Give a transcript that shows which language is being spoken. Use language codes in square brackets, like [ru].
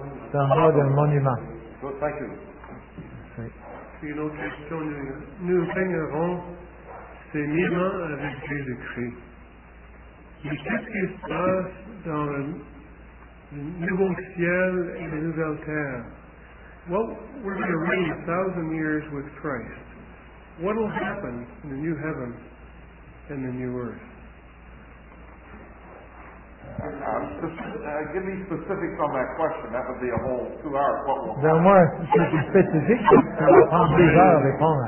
[fr] C'est en bas d'un monument. [en] Thank you. [fr] Une autre question, nous régnerons ces 1000 ans avec Jésus-Christ. Mais qu'est-ce qui se passe dans le nouveau ciel et la nouvelle terre? [en] What will be a 1,000 years with Christ? What will happen in the new heaven and the new earth? Give me specifics on that question. That would be a whole 2 hours. [fr] Donne-moi quelque spécifique. Ça va prendre 2 heures à répondre.